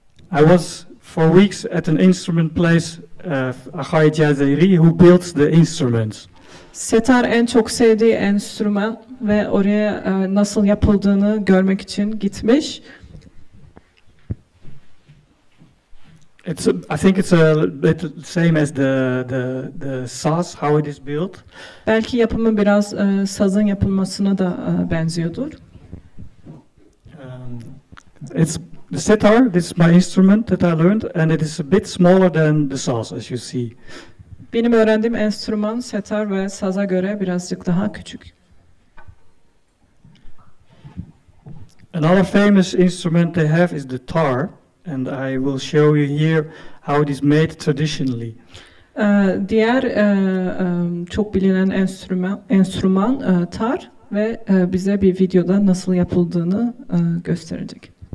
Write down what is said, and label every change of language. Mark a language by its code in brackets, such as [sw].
[en] I was for weeks at an instrument place, Ahay Cazeri, who built the instruments. [tr] Sitar en çok sevdiği enstrüman ve oraya nasıl yapıldığını görmek için gitmiş. [en] It's a, I think it's a bit same as the saz, how it is built. [tr] Belki yapımı biraz sazın yapılmasına da benziyordur. [en] It's the sitar, this is my instrument that I learned, and it is a bit smaller than the saz, as you see. [tr] Benim öğrendiğim enstrüman sitar ve saza göre birazcık daha küçük. [en] Another famous instrument they have is the tar, and I will show you here how it is made traditionally. [tr] Diğer çok bilinen enstrüman tar ve bize bir videoda nasıl yapıldığını gösterecek.